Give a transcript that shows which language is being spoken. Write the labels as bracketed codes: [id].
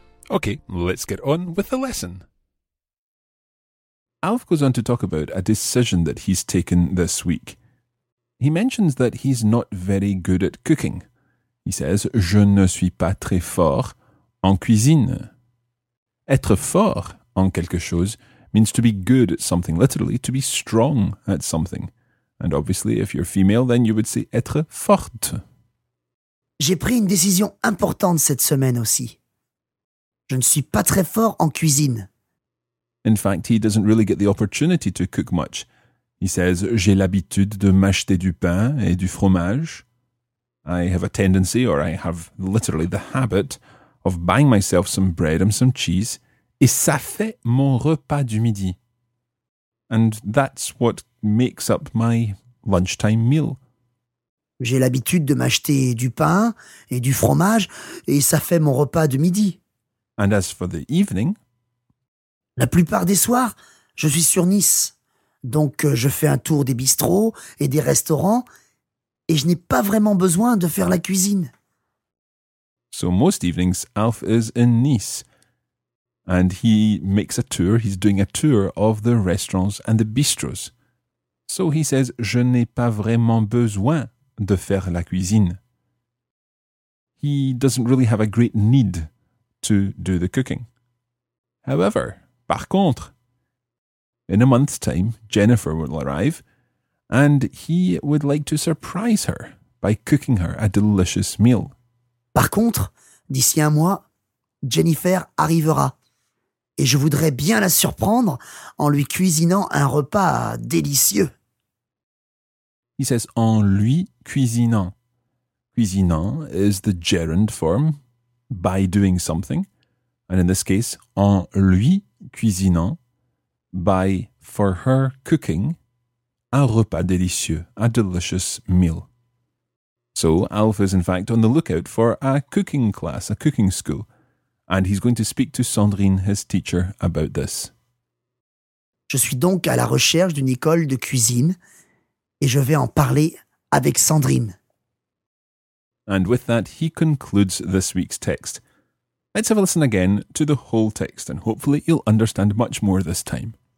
[en] Okay, let's get on with the lesson. Alf goes on to talk about a decision that he's taken this week. He mentions that he's not very good at cooking. He says, [fr] je ne suis pas très fort en cuisine. Être fort en quelque chose [en] means to be good at something, literally to be strong at something. And obviously, if you're female, then you would say être forte. [fr] J'ai pris une décision importante cette semaine aussi. Je ne suis pas très fort en cuisine. [en] In fact, he doesn't really get the opportunity to cook much. [fr] He says, j'ai l'habitude de m'acheter du pain et du fromage. [en] I have a tendency, or I have literally the habit, of buying myself some bread and some cheese. [fr] Et ça fait mon repas du midi. [en] And that's what makes up my lunchtime meal. [fr] J'ai l'habitude de m'acheter du pain et du fromage. Et ça fait mon repas du midi. [en] And as for the evening... [fr] La plupart des soirs, je suis sur Nice. Donc, je fais un tour des bistrots et des restaurants et je n'ai pas vraiment besoin de faire la cuisine. [en] So, most evenings, Alf is in Nice. And he makes a tour, he's doing a tour of the restaurants and the bistros. So, he says, [fr] je n'ai pas vraiment besoin de faire la cuisine. [en] He doesn't really have a great need to do the cooking. However... Par contre, in a month's time, Jennifer will arrive and he would like to surprise her by cooking her a delicious meal. [fr] Par contre, d'ici un mois, Jennifer arrivera et je voudrais bien la surprendre en lui cuisinant un repas délicieux. [en] He says, [fr] en lui cuisinant. [en] Cuisinant is the gerund form, by doing something. And in this case, en lui cuisinant, by, for her, cooking, [fr] un repas délicieux, [en] a delicious meal. So, Alf is in fact on the lookout for a cooking class, a cooking school, and he's going to speak to Sandrine, his teacher, about this. [fr] Je suis donc à la recherche d'une école de cuisine, et je vais en parler avec Sandrine. [en] And with that, he concludes this week's text. Let's have a listen again to the whole text and hopefully you'll understand much more this time.